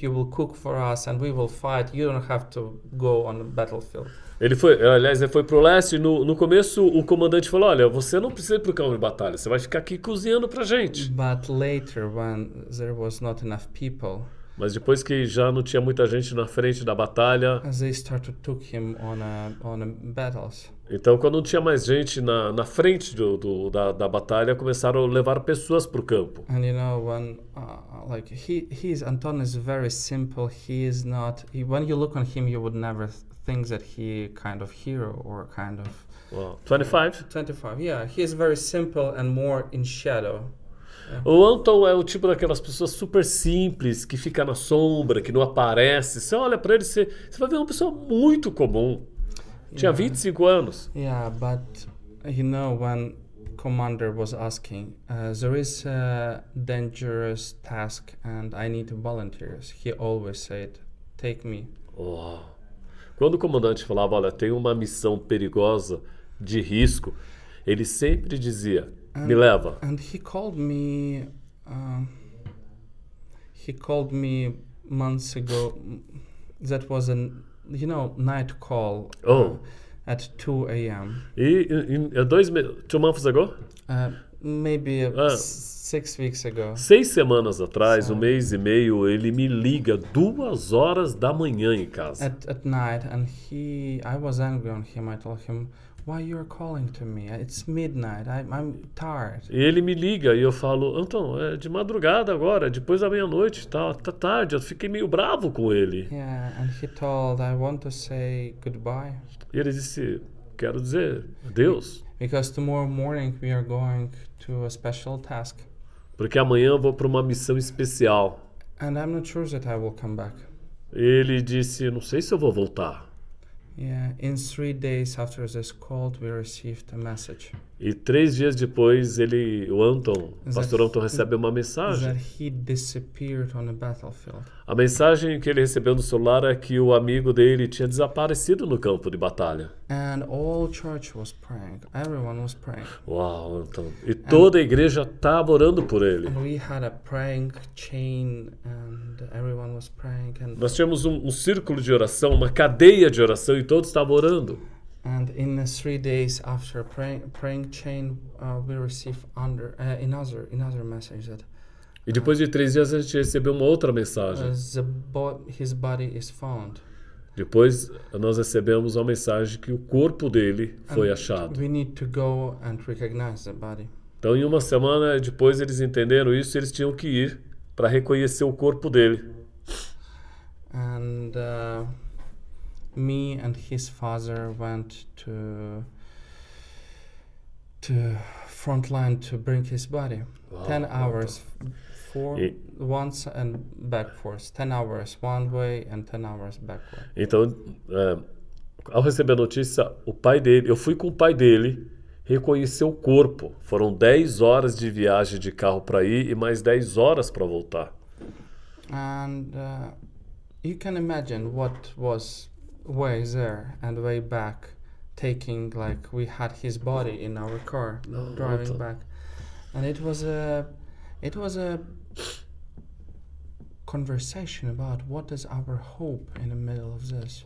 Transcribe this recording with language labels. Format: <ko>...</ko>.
<en>You will cook for us, and we will fight. You don't have to go on the battlefield."</en> <pt>Ele foi para o leste. No começo, o comandante falou, "Olha, você não precisa ir para o campo de batalha. Você vai ficar aqui cozinhando para gente."</pt> <en>But later, when there was not enough people.</en> <pt>Mas depois que já não tinha muita gente na frente da batalha,</pt> <en>as they started to take him on battles.</en> <pt>Então, quando não tinha mais gente na frente da batalha, começaram a levar pessoas para o campo.</pt> <en>And you know, when like he's Anton is very simple. He is not. When you look on him, you would never think that he kind of hero or kind of. Well, 25. 25. Yeah, he is very simple and more in shadow.</en> <pt>O Anton é o tipo daquelas pessoas super simples, que fica na sombra, que não aparece. Você olha para ele, você vai ver uma pessoa muito comum. Tinha 25 anos.</pt> <en>Yeah, but you know when commander was asking, there is a dangerous task and I need volunteers. He always said, take me. Oh.</en> <pt>Quando o comandante falava, olha, tem uma missão perigosa, de risco, ele sempre dizia, me leva.</pt> <en>And he called me months ago. That was a night call at 2 a.m.</en> <pt>E 2 months ago?</pt> <en>Maybe 6 weeks ago.</en> <pt>6 semanas atrás, um mês e meio, ele me liga 2 horas da manhã em casa.</pt> <en>At night, and I was angry on him. I told him, why you're calling to me? It's midnight. I'm tired.</en> <pt>E ele me liga e eu falo, Anton, é de madrugada agora, depois da meia-noite, tá tarde. Eu fiquei meio bravo com ele.</pt> <en>Yeah, and he told, I want to say goodbye.</en> <pt>E ele disse, quero dizer adeus.</pt> <en>Because tomorrow morning we are going to a special task.</en> <pt>Porque amanhã eu vou para uma missão especial.</pt> <en>And I'm not sure that I will come back.</en> <pt>Ele disse, não sei se eu vou voltar.</pt> <en>Yeah, in 3 days after this call, we received a message.</en> <pt>E 3 dias depois, o Anton, Pastor Anton, recebe uma mensagem.</pt> <en>That he disappeared on the battlefield.</en> <pt>A mensagem que ele recebeu no celular é que o amigo dele tinha desaparecido no campo de batalha.</pt> <en>And all church was praying. Everyone was praying.</en> <pt>Uau, Anton. E toda a igreja estava orando por ele.</pt> <en>And we had a praying chain and everyone was praying. And</en> <pt>nós tínhamos um círculo de oração, uma cadeia de oração e todos estavam orando.</pt> <en>And in 3 days after praying chain, we received another message that.</en> <pt>E depois de 3 dias a gente recebeu uma outra mensagem.</pt> <en>His body is found.</en> <pt>Depois nós recebemos uma mensagem que o corpo dele foi achado.</pt> <en>We need to go and recognize the body.</en> <pt>Então, em uma semana depois eles entenderam isso, eles tinham que ir para reconhecer o corpo dele.</pt> <en>And me and his father went to frontline to bring his body. Wow, 10 hours for once and backwards. 10 hours one way and 10 hours backwards.</en> <pt>Então, ao receber a notícia, o pai dele, eu fui com o pai dele reconhecer o corpo. Foram 10 horas de viagem de carro para ir e mais 10 horas para voltar.</pt> <en>And you can imagine what was way there and way back, taking like we had his body in our car, driving back, and it was a conversation about what is our hope in the middle of this.</en>